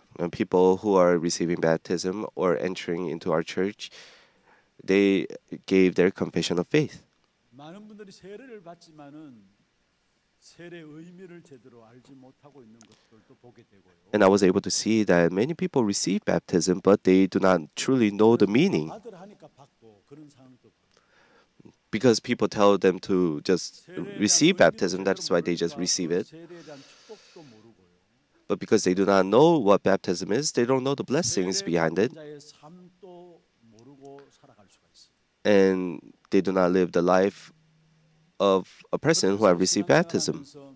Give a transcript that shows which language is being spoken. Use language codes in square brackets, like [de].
[en] People who are receiving baptism or entering into our church, they gave their confession of faith. [ko] 많은 분들이 세례를 받지만은 세례의 의미를 제대로 알지 못하고 있는 것들도 보게 되고요. [en] And I was able to see that many people receive baptism, but they do not truly know the meaning. [ko] 받으라 하니까 받고 그런 상황도. [en] Because people tell them to just receive baptism, that's why they just receive it. [ko] 세례에 대한 축복도 모르고요. [en] But because they do not know what baptism is, they don't know the blessings behind it. [ko] 세례 받은 자의 삶도 모르고 살아갈 수가 있어요. [en] And they do not live the life of a person who have received baptism.